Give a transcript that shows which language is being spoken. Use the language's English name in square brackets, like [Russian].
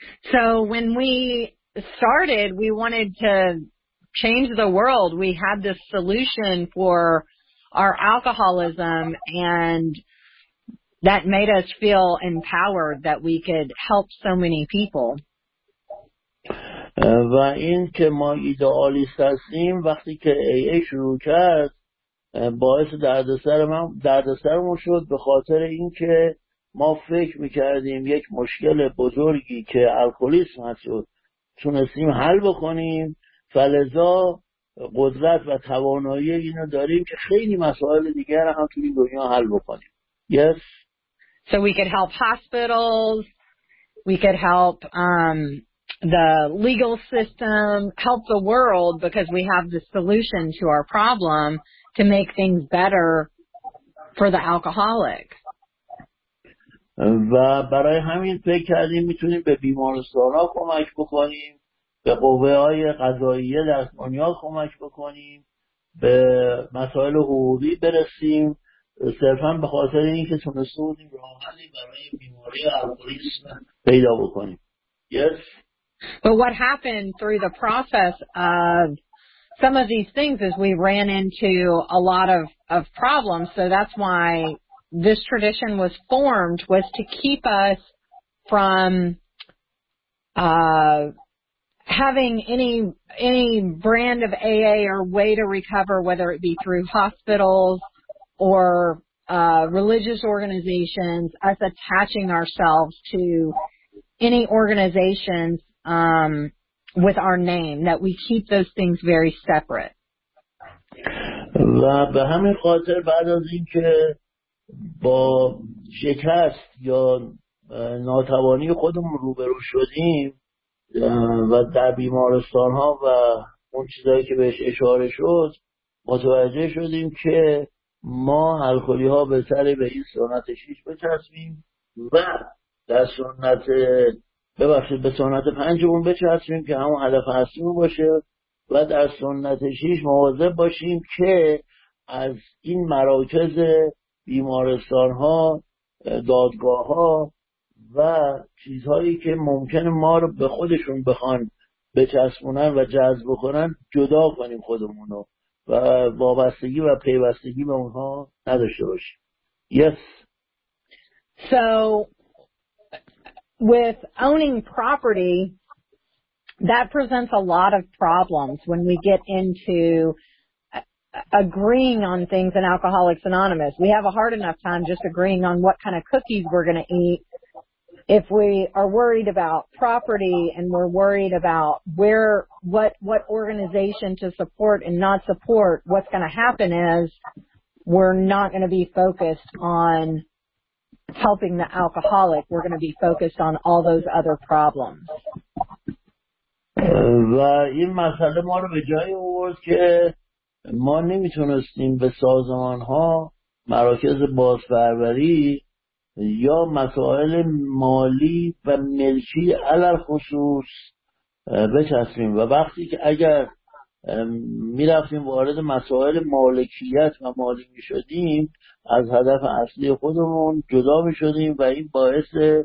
[English] So when we started, we wanted to change the world. We had this solution for our alcoholism, and that made us feel empowered that we could help so many people. [Persian] و این که ما ایدئالیست هستیم وقتی که AA شروع کرد باعث دردسرمون شد به خاطر اینکه ما فکر میکردیم یک مشکل بزرگی که الکلیسم هست تونستیم حل بکنیم فلذا قدرت و توانایی اینو داریم که خیلی مسائل دیگر هم توی دنیا حل بکنیم. [English] Yes. So we could help hospitals. We could help the legal system, help the world, because we have the solution to our problem to make things better for the alcoholic. [Persian] و برای همین فکر کردیم میتونیم به بیمارستان ها کمک بکنیم، به قوه های قضاییه در دنیا کمک بکنیم، به مسائل حقوقی برسیم، صرفا به خاطر اینکه تونستیم راهی برای بیماری الکلیسم پیدا بکنیم. [English] Yes. But what happened through the process of some of these things is we ran into a lot of problems. So that's why this tradition was formed, was to keep us from having any brand of AA or way to recover, whether it be through hospitals or religious organizations, us attaching ourselves to any organizations with our name, that we keep those things very separate. [Persian] و به همین خاطر بعد از این که با شکست یا ناتوانی خودمون روبرو شدیم و در بیمارستان ها و اون چیزایی که بهش اشاره شد متوجه شدیم که ما الکلی ها به سر به این سنت شیش بچسبیم و در سنت ببخشید به سنت پنجمون بچسبیم که همون هدف اصلیمون باشه و در سنت شیش مواظب باشیم که از این مراکز بیمارستان ها دادگاه ها و چیزهایی که ممکن ما رو به خودشون بخوان بچسبونن و جذب کنن جدا کنیم خودمونو و وابستگی و پیوستگی به اونها نداشته باشیم. [English] Yes. So with owning property, that presents a lot of problems when we get into agreeing on things in Alcoholics Anonymous. We have a hard enough time just agreeing on what kind of cookies we're going to eat. If we are worried about property and we're worried about where, what organization to support and not support, what's going to happen is we're not going to be focused on helping the alcoholic, we're going to be focused on all those other problems. [Persian] و این مسئله ما رو به جایی آورد که ما نمیتونستیم به سازمان ها مراکز بازپروری یا مسائل مالی و ملکی علل خصوص بچسبیم و وقتی که اگر می رفتیم وارد مسائل مالکیت و مالی می شدیم از هدف اصلی خودمون جدا می شدیم و این باعث